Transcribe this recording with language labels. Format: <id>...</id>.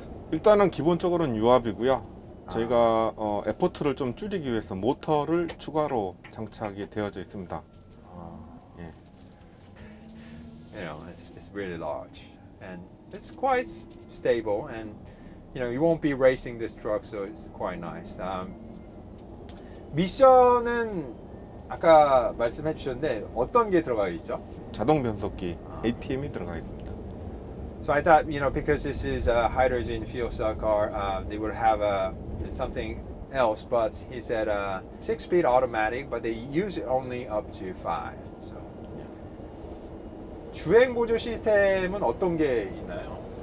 <ko>일단은 기본적으로는 유압이고요. 저희가 에포트를 좀 줄이기 위해서 모터를 추가로 장착이 되어져 있습니다.</ko> <en>You know, it's really large and it's quite stable, and you know, you won't be racing this truck, so it's quite nice.</en> <ko>미션은 아까 말씀해 주셨는데 어떤 게 들어가 있죠? 자동 변속기 ATM이 들어가 있습니다.</ko> <en>So I thought, you know, because this is a hydrogen fuel cell car, they would have something else, but he said 6-speed automatic, but they use it only up to 5.</en> <ko>주행 보조 시스템은 어떤 게 있나요?</ko>